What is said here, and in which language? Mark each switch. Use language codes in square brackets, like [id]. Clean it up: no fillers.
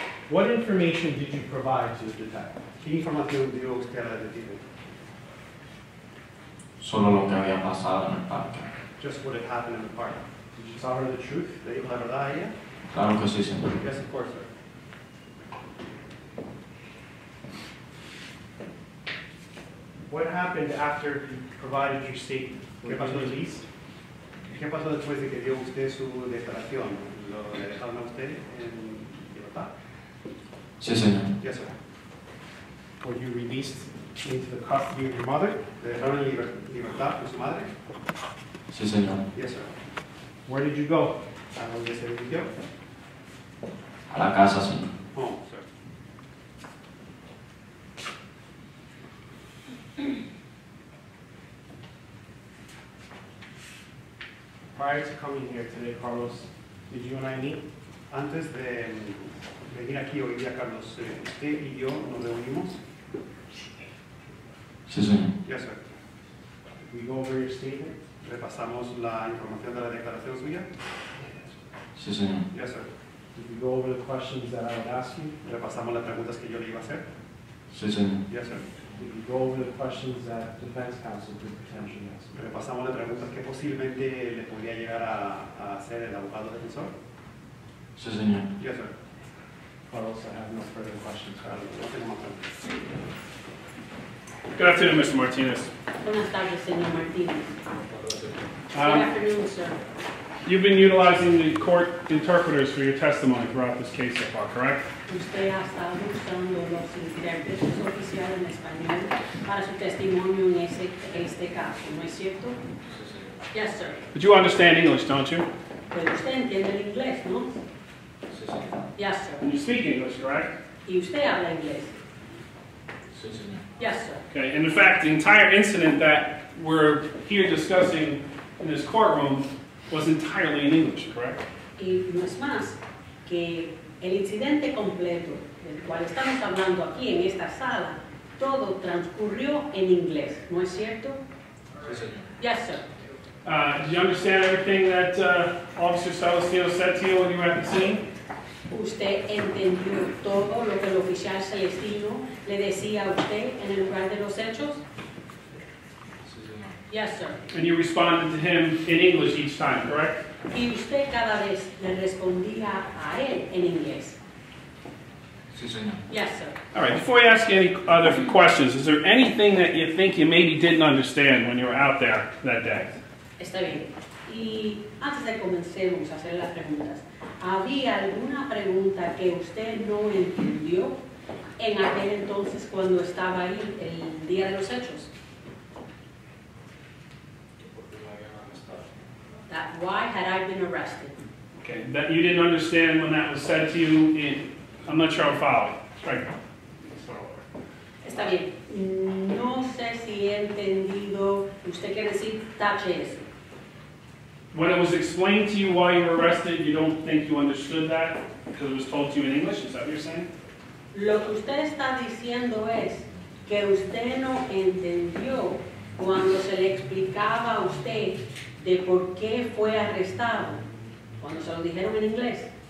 [en] What information did you provide to the detective? [es] ¿Qué información dio usted al detective? Solo lo que había pasado en el parque. [en] Just what had happened in the park. Did you tell her the truth? [es] ¿Le dijo la verdad a ella? Claro que sí, señor. [en] Yes, of course, sir. What happened after you provided your statement? [es] ¿Qué pasó después? ¿Qué pasó después de que dio usted su declaración? ¿Lo dejaron a usted en libertad? Sí, señor. [en] Yes, sir. Were you released into the custody of your mother? [es] ¿Le dejaron en libertad con su madre? Sí, señor. [en] Yes, sir. Where did you go? [es] ¿A dónde se dirigió? A la casa, señor. [en] Home, sir. Prior to coming here today, Carlos, did you and I meet? [es] Antes de venir aquí hoy día, Carlos, usted y yo nos reunimos. Sí, señor. [en] Yes, sir. We go over your statement. [es] Repasamos la información de la declaración suya. Sí, señor. [en] Yes, sir. Did you go over the questions that I would ask you? [es] Repasamos las preguntas que yo le iba a hacer. Sí, señor. [en] Yes, sir. Did you go over the questions that defense counsel could potentially ask? [es] Repasamos las preguntas que posiblemente le podría llegar a hacer el abogado defensor. Sí, señor. [en] Yes, sir. Carlos, I have no further questions. [es] Carlos, no más preguntas. [en] Good afternoon, Mr. Martinez. [es] Buenas tardes, señor Martinez. [en] Good afternoon, sir. You've been utilizing the court interpreters for your testimony throughout this case so far, correct? [es] Usted ha estado usando los intérpretes oficiales en español para su testimonio en este caso, ¿no es cierto? [en] Yes, sir. But you understand English, don't you? [es] Pues usted entiende el inglés, ¿no? [en] Yes, sir. And you speak English, correct? [es] Y usted habla inglés. [en] Yes, sir. Okay, and in fact, the entire incident that we're here discussing in this courtroom was entirely in English, correct? [es] Y no es más que el incidente completo del cual estamos hablando aquí en esta sala, todo transcurrió en inglés, ¿no es cierto? [en] Yes, sir. Did you understand everything that Officer Celestino said to you when you were at the scene? [es] ¿Usted entendió todo lo que el oficial Celestino le decía a usted en el lugar de los hechos? [en] Yes, sir. And you responded to him in English each time, correct? [es] Y usted cada vez le respondía a él en inglés. Sí, señor. [en] Yes, sir. All right, before you ask any other questions, is there anything that you think you maybe didn't understand when you were out there that day? [es] Está bien. Y antes de comencemos a hacer las preguntas, ¿había alguna pregunta que usted no entendió en aquel entonces cuando estaba ahí el día de los hechos? [en] That why had I been arrested? Okay, that you didn't understand when that was said to you in, I'm not sure I'm following. Right. [es] Está bien. No sé si he entendido. ¿Usted quiere decir? Tache eso. [en] When it was explained to you why you were arrested, you don't think you understood that because it was told to you in English? Is that what you're saying? [es] Lo que usted está diciendo es que usted no entendió cuando se le explicaba a usted de por qué fue arrestado, cuando se lo dijeron en inglés.